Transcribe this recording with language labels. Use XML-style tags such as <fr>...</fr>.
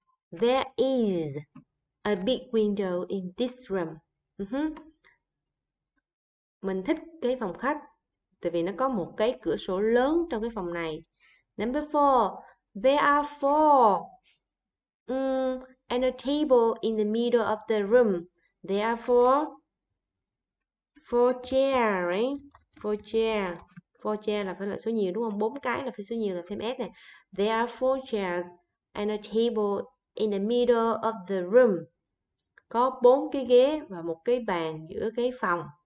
<en>There is a big window in this room.</en> <vi>Mình thích cái phòng khách tại vì nó có một cái cửa sổ lớn trong cái phòng này.</vi> <en>Number four, there are four and a table in the middle of the room. There are four chair, right? Four chair</en> <vi>là phải là số nhiều đúng không? Bốn cái là phải số nhiều là thêm s này.</vi> <en>There are four chairs and a table in the middle of the room.</en> <vi>Có bốn cái ghế và một cái bàn giữa cái phòng.</vi>